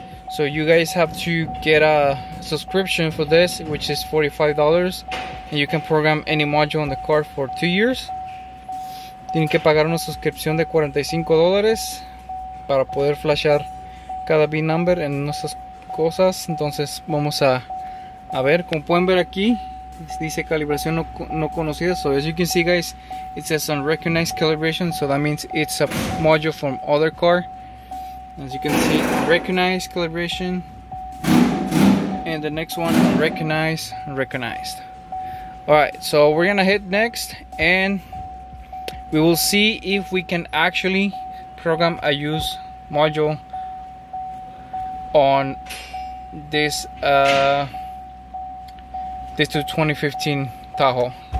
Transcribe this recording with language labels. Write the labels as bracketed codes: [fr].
[en] So you guys have to get a subscription for this, which is $45. And you can program any module on the car for 2 years. [es] Tienen que pagar una suscripción de $45 para poder flashear cada VIN number en nuestras cosas. Entonces vamos a ver. Como pueden ver aquí, dice calibración no conocida. [en] So as you can see, guys, it says unrecognized calibration. So that means it's a module from other car. As you can see, recognized calibration. And the next one, recognized. Alright, so we're gonna hit next, and we will see if we can actually program a use module on this this 2015 Tahoe.